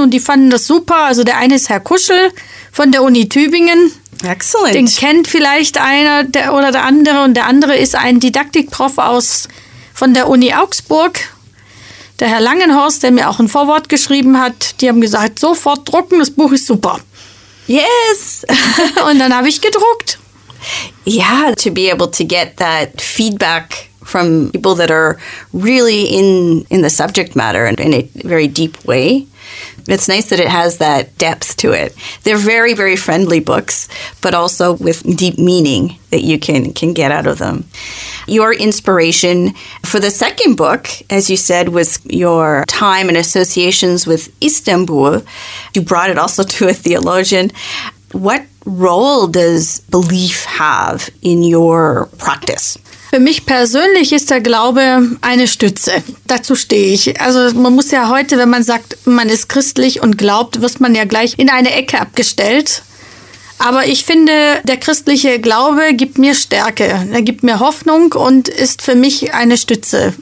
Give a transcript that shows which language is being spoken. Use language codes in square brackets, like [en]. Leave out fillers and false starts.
[de] Und die fanden das super. Also der eine ist Herr Kuschel von der Uni Tübingen. [en] Excellent. [de] Den kennt vielleicht einer der oder der andere. Und der andere ist ein Didaktikprof von der Uni Augsburg. Der Herr Langenhorst, der mir auch ein Vorwort geschrieben hat, die haben gesagt, sofort drucken, das Buch ist super. [en] Yes! [de] Und dann habe ich gedruckt. [en] Yeah, to be able to get that feedback from people that are really in the subject matter and in a very deep way. It's nice that it has that depth to it. They're very, very friendly books, but also with deep meaning that you can get out of them. Your inspiration for the second book, as you said, was your time and associations with Istanbul. You brought it also to a theologian. What role does belief have in your practice? [de] Für mich persönlich ist der Glaube eine Stütze. Dazu stehe ich. Also man muss ja heute, wenn man sagt, man ist christlich und glaubt, wird man ja gleich in eine Ecke abgestellt. Aber ich finde, der christliche Glaube gibt mir Stärke. Er gibt mir Hoffnung und ist für mich eine Stütze.